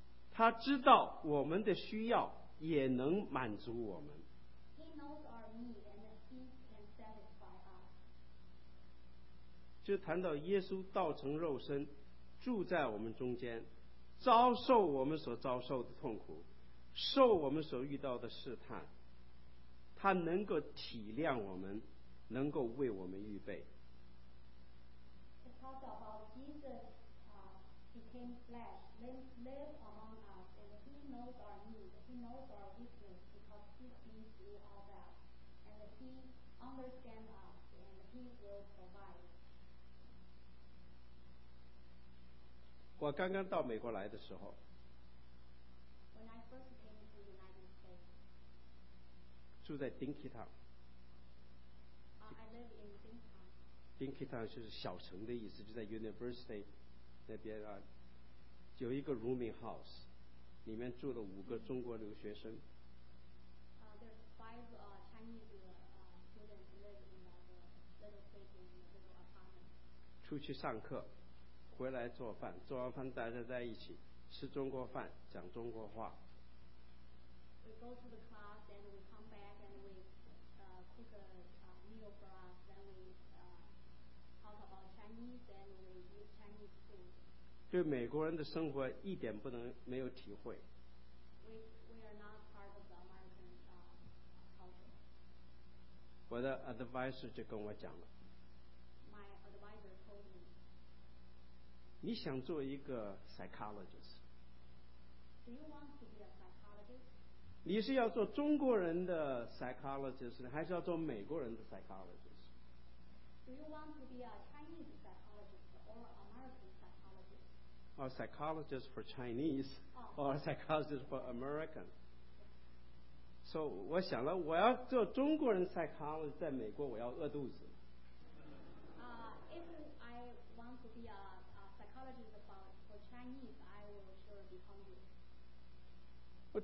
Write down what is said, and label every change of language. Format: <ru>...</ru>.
<zh>他知道我们的需要，也能满足我们。</zh> <en>He knows our need and he can satisfy us.</en> <zh>就谈到耶稣道成肉身，住在我们中间，遭受我们所遭受的痛苦，受我们所遇到的试探，他能够体谅我们，能够为我们预备。</zh> <en>It talks about Jesus became flesh, lived among us, and he knows our need, he knows our weakness, because he's been through all that, and he understands us, and he will provide.</en> <zh>我刚刚到美国来的时候，</zh> <en>When I first came to the United States,</en> <zh>住在丁基堂。</zh> <en>I live in</en> <zh>Dinkytown 就是小城的意思，就在 University 那边啊，有一个 rooming house，里面住了五个中国留学生。</zh> <en>There's five Chinese students live in the little space in the little apartment.</en> <zh>出去上课，回来做饭，做完饭大家在一起吃中国饭，讲中国话。</zh> <en>We go to the class and we come back and we cook a meal for us. Then we talk about Chinese and we use Chinese food.</en> <zh>对美国人的生活一点不能没有体会。</zh> <en>We are not part of the American culture.</en> <zh>我的 advisor 就跟我讲了。</zh> <en>My advisor told me.</en> <zh>你想做一个 psychologist?</zh> <en>Do you want to be a psychologist?</en> <zh>你是要做中国人的 psychologist 还是要做美国人的 psychologist?</zh> <en>Do you want to be a Chinese psychologist or American psychologist? Or psychologist for Chinese or psychologist for American?</en> <zh>So 我想了，我要做中国人 psychologist， 在美国我要饿肚子。</zh> <en>If I want to be a psychologist for Chinese, I will sure be hungry.</en>